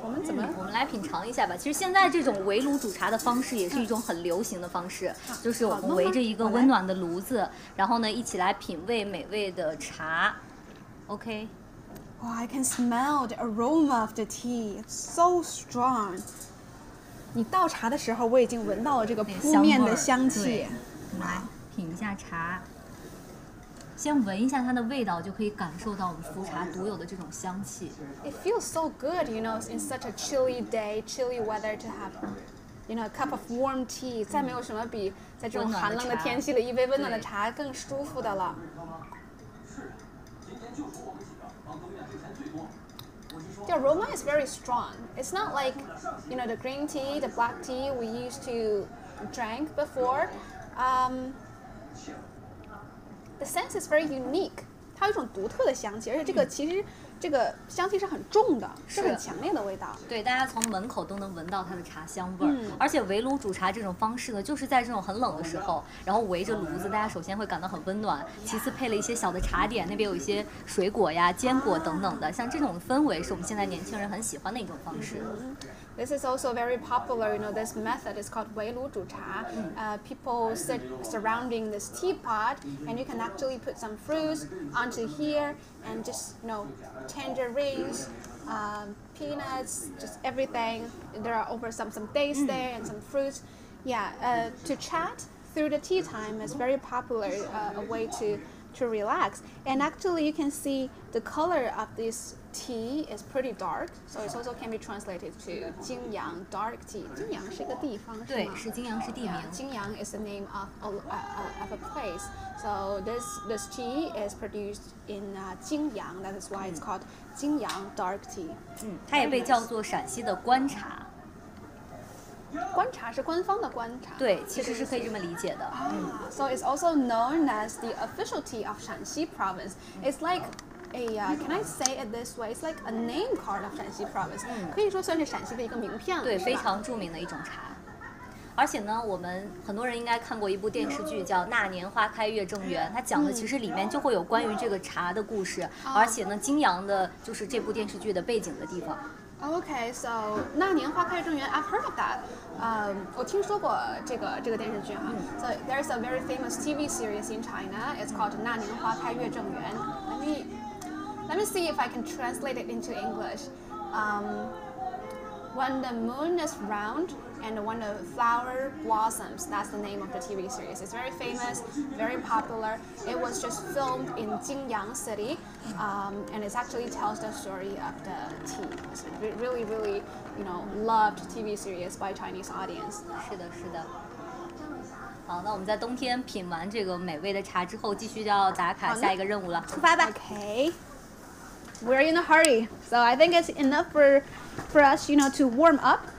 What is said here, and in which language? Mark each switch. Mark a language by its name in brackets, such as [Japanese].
[Chinese] 我们来品尝一下吧。其实现在这种围炉煮茶的方式也是一种很流行的方式，就是我们围着一个温暖的炉子，然后呢一起来品味美味的茶。 [English] OK。 Wow, I can smell the aroma of the tea. It's so strong. [Chinese] 你倒茶的时候，我已经闻到了这个扑面的香气。香味，对。我们来品一下茶，先闻一下它的味道，就可以感受到我们茯茶独有的这种香气。 [English] It feels so good, you know, in such a chilly day, chilly weather to have, you know, a cup of warm tea. [Chinese] 再没有什么比在这种寒冷的天气里一杯温暖的茶更舒服的了。 [English] The aroma is very strong. It's not like, you know, the green tea, the black tea we used to drink before. The scent is very unique. [Chinese] 它有一种独特的香气，而且这个其实这个香气是很重的，是很强烈的味道。对，大家从门口都能闻到它的茶香味儿。而且围炉煮茶这种方式呢，就是在这种很冷的时候，然后围着炉子，大家首先会感到很温暖，其次配了一些小的茶点，那边有一些水果呀、坚果等等的，像这种氛围是我们现在年轻人很喜欢的一种方式。 [English] This is also very popular, you know, this method is called [Chinese] 围炉煮茶. [English] People sit surrounding this teapot, and you can actually put some fruits onto here, and just, you know, tangerines, peanuts, just everything. There are over some dates there and some fruits. Yeah, to chat through the tea time is very popular, a way to relax. And actually, you can see the color of this tea is pretty dark, so it also can be translated to 泾阳 dark tea. [Chinese] 泾阳是一个地方，对，是泾阳是地名。 [English] 泾阳 is the name of a place. So this tea is produced in 泾阳, that is why it's called 泾阳 dark tea. [Chinese] 它也被叫做陕西的官茶。官茶是官方的官茶，对，其实是可以这么理解的。 [English] So it's also known as the official tea of Shaanxi province. It's like a, can I say it this way? It's like a name card of Shaanxi province. [Chinese] 可以说算是陕西的一个名片了，对，非常著名的一种茶。而且呢，我们很多人应该看过一部电视剧叫《那年花开月正圆》，它讲的其实里面就会有关于这个茶的故事，而且呢，泾阳的就是这部电视剧的背景的地方。 [English] Okay, so 那年花开月正圆 I've heard of that. [Chinese] 我听说过这个电视剧哈。 [English] So there's a very famous TV series in China. It's called 那年花开月正圆。 Let me see if I can translate it into English. When the moon is round, and one of Flower Blossoms, that's the name of the TV series. It's very famous, very popular. It was just filmed in Jingyang City, and it actually tells the story of the tea. It's a really, really, you know, loved TV series by Chinese audience. [Chinese] 是的，是的。好，那我们在冬天品完这个美味的茶之后，继续要打卡下一个任务了，出发吧。 [English] Okay. We're in a hurry, so I think it's enough for us, you know, to warm up.